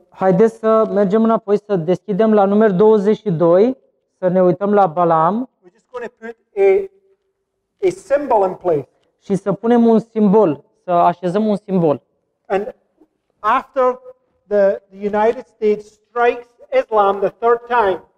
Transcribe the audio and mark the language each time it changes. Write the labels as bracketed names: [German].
[Romanian] Haideți să mergem înapoi, să deschidem la numărul 22, să ne uităm la Balaam. [English] We're just going to put a symbol in place. [Romanian] Și să punem un simbol, să așezăm un simbol. [English] And after the United States strikes Islam the third time.